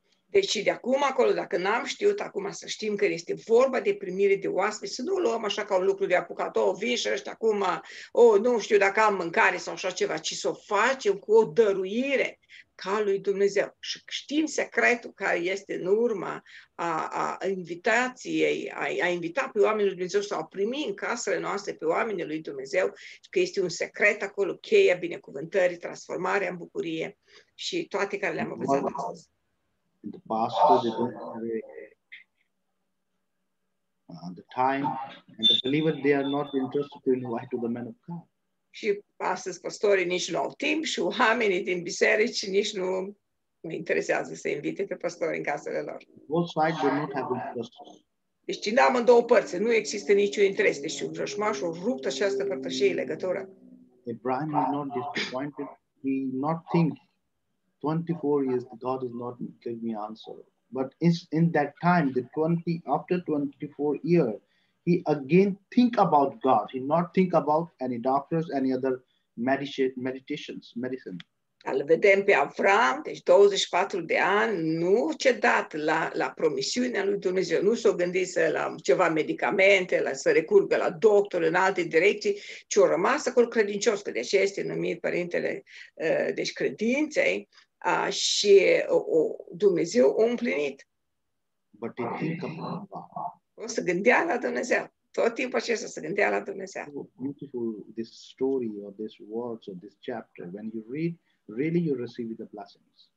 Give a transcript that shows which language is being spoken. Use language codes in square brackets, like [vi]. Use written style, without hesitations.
[ro] Deci de acum acolo, dacă n-am știut, acum să știm că este vorba de primire de oaspeți, să nu luăm așa ca un lucru de apucat, o, vin și ăștia acum, nu știu dacă am mâncare sau așa ceva, ci să o facem cu o dăruire ca lui Dumnezeu. Și știm secretul care este în urma a invitației, a invita pe oamenii lui Dumnezeu sau a primi în casele noastre pe oamenii lui Dumnezeu, că este un secret acolo, cheia binecuvântării, transformarea în bucurie și toate care le-am învățat astăzi. [en] And the pastor, they don't have the time, and the believer, they are not interested to invite to the man of God. [ro] Și astăzi pastorii nici nu au timp și oamenii din biserici nici nu mă interesează să invite pe pastori în casele lor. [en] Both sides do not have interest. [ro] Deci cine am în două părți, nu există niciun interes. Deci un vrășmaș a rupt această părtășie și legătura. [en] Abraham is not disappointed. He not think. 24 years, God is not giving me answer. But in that time, after 24 years, he again think about God. He not think about any doctors, any other medicine. [ro] Al vedem pe Avram, deci 24 de ani, nu ce dat la promisiunea lui Dumnezeu, nu s-o gândit la ceva medicamente, să recurgă la doctor în alte direcții, ci o rămas acolo credincios, că deși este numit părintele deci credinței, și Dumnezeu a împlinit. [en] But he think about God. [ro] O să gândea la Dumnezeu. Tot timpul acesta se gândea la Dumnezeu. [en] So beautiful this story or this words or this chapter. When you read, really you receive the blessings.